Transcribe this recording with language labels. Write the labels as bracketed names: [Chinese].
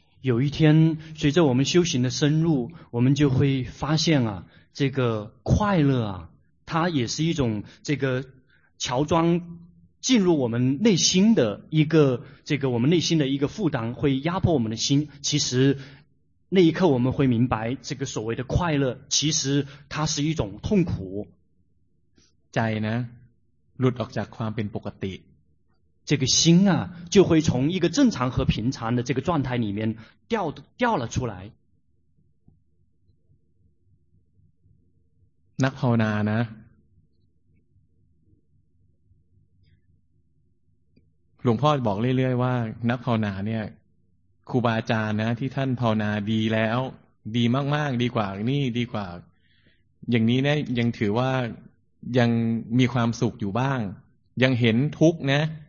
[Chinese] 有一天随着我们修行的深入我们就会发现啊这个快乐啊它也是一种这个乔装进入我们内心的一个这个我们内心的一个负担会压迫我们的心其实那一刻我们会明白这个所谓的快乐其实它是一种痛苦 [Thai] ใจนะหลุดออกจากความเป็นปกติ [Chinese] 这个心啊就会从一个正常和平常的这个状态里面掉了出来 [Thai] นักภาวนานะหลวงพ่อบอกเรื่อยๆว่านักภาวนาเนี่ยครูบาอาจารย์นะที่ท่านภาวนาดีแล้วดีมากๆดีกว่านี่ดีกว่าอย่างนี้นะยังถือว่ายังมีความสุขอยู่บ้างยังเห็นทุกข์นะ